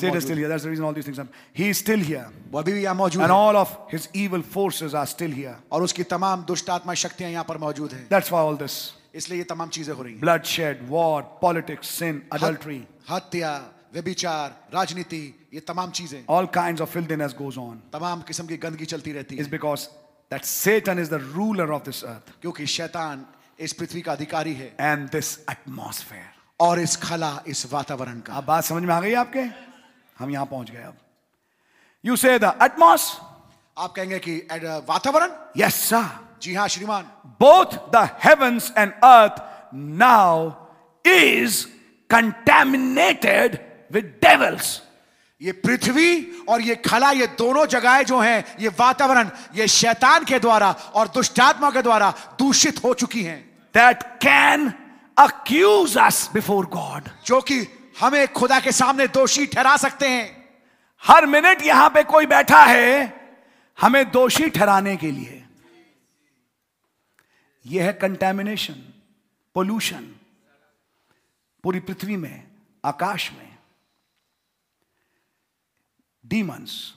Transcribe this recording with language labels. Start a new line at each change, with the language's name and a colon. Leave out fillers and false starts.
Hindi: मौजूद है।
English: Satan still here. That's the reason all these things happen. He is still here.
Hindi: वो अभी भी यहाँ मौजूद है।
English: And all of his evil forces are still here.
Hindi: और उसकी तमाम दुष्ट आत्मा शक्तियाँ यहाँ पर मौजूद हैं।
English: That's why all this.
Hindi: इसलिए ये तमाम चीजें हो रही हैं।
English: Bloodshed, war, politics, sin, adultery.
Hindi: हत्या, व्यभिचार, राजनीति, ये तमाम चीजें।
English: All kinds of filthiness goes on.
Hindi: तमाम किस्म की गंदगी चलती रहती है।
English: It's because that Satan is the ruler of this earth.
Hindi: क्योंकि शैतान इस पृथ्वी का अधिकारी है।
English: and this atmosphere,
Hindi: और इस खला, इस वातावरण का। अब बात समझ में आ गई आपके? हम यहां पहुंच गए। अब
English: you say the atmos,
Hindi: आप कहेंगे कि वातावरण,
English: yes sir,
Hindi: जी हां श्रीमान,
English: Both the heavens and earth now is contaminated with devils.
Hindi: ये पृथ्वी और ये खला, ये दोनों जगहें जो हैं, ये वातावरण, ये शैतान के द्वारा और दुष्टात्मा के द्वारा दूषित हो चुकी हैं।
English: That can accuse us before God,
Hindi: जो कि हमें खुदा के सामने दोषी ठहरा सकते हैं। हर मिनट यहां पे कोई बैठा है हमें दोषी ठहराने के लिए। यह है कंटेमिनेशन, पोल्यूशन पूरी पृथ्वी में, आकाश में, डीमंस